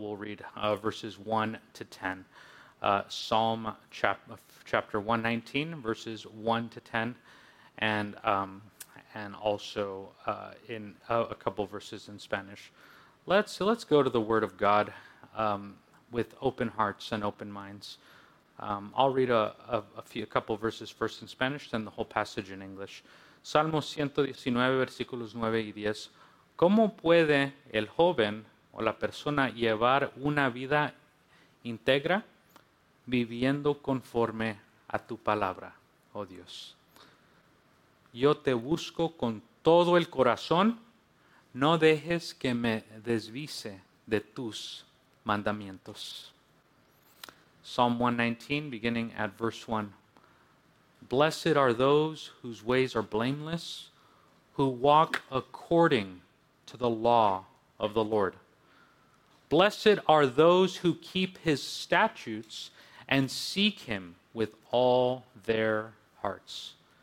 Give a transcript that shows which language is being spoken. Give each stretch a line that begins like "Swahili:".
English: We'll read verses 1 to 10. Psalm chapter 119, verses 1 to 10, and also in a couple verses in Spanish. Let's go to the Word of God with open hearts and open minds. I'll read a couple of verses first in Spanish, then the whole passage in English.
Spanish: Salmo 119, versículos 9 y 10. ¿Cómo puede el joven o la persona llevar una vida íntegra viviendo conforme a tu palabra, oh Dios? Yo te busco con todo el corazón. No dejes que me desvíe de tus mandamientos.
English: Psalm 119, beginning at verse 1. Blessed are those whose ways are blameless, who walk according to the law of the Lord. Blessed are those who keep his statutes and seek him with all their hearts.